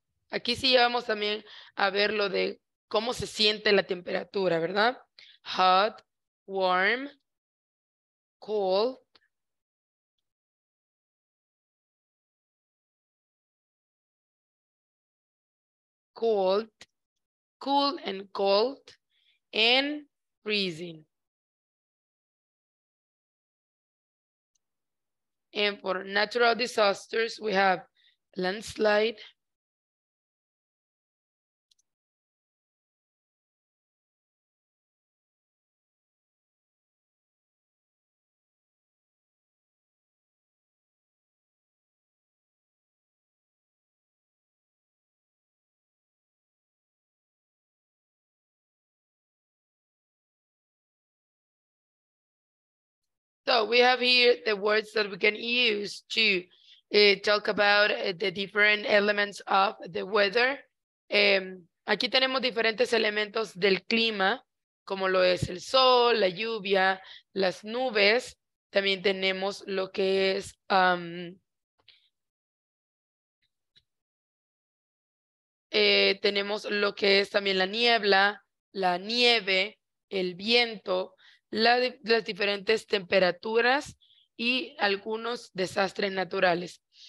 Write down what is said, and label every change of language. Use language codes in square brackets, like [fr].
[es] Aquí sí vamos también a ver lo de cómo se siente la temperatura, ¿verdad? [en] Hot, warm, cold, cold, cool and cold, and freezing. And for natural disasters, we have landslide, so we have here the words that we can use to talk about the different elements of the weather. [es] Aquí tenemos diferentes elementos del clima, como lo es el sol, la lluvia, las nubes. También tenemos lo que es tenemos lo que es también la niebla, la nieve, el viento, las diferentes temperaturas y algunos desastres naturales.